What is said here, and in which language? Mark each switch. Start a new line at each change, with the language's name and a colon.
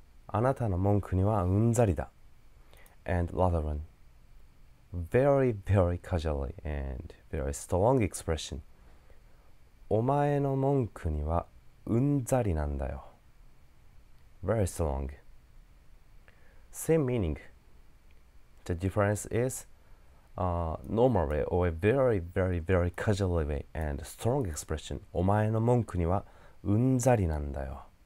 Japanese: あなたの文句にはうんざりだ。
English: And another one. Very, very casually and very strong expression.
Japanese: お前の文句にはうんざりなんだよ。
English: Very strong. Same meaning. The difference is normal way or a very, very, very casual way and strong expression.
Japanese: お前の文句にはうんざりなんだよ。